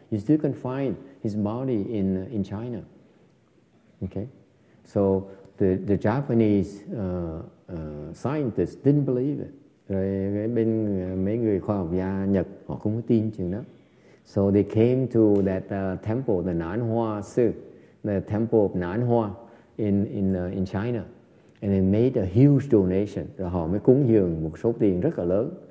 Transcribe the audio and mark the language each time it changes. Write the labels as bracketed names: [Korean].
[English] You still can find his body in China. Okay, so the Japanese scientists didn't believe it. [Vietnamese] Rồi bên mấy người khoa học gia Nhật họ không có tin chuyện đó. [English] So they came to that temple, the Nanhua Si, the temple of Nanhua in China, and they made a huge donation. [Vietnamese] Rồi họ mới cúng dường một số tiền rất là lớn.